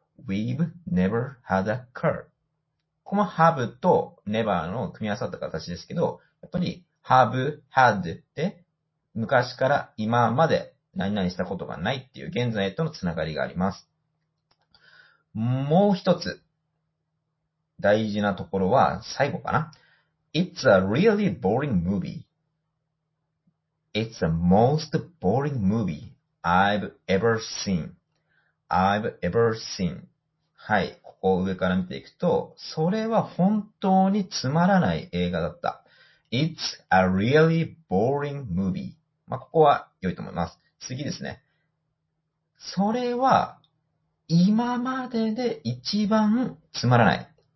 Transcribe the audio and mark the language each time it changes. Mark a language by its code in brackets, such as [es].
[en] We've never had a car. [ja] ここも have と never の組み合わさった形ですけど、やっぱり have, had って昔から今まで何々したことがないっていう現在とのつながりがあります。もう一つ大事なところは最後かな。 [en] It's a really boring movie. It's the most boring movie I've ever seen. I've ever seen. はい。 [ja] ここを上から見ていくと、それは本当につまらない映画だった。 [en] It's a really boring movie. [ja] まあ、ここは良いと思います。次ですね。それは今までで一番つまらない。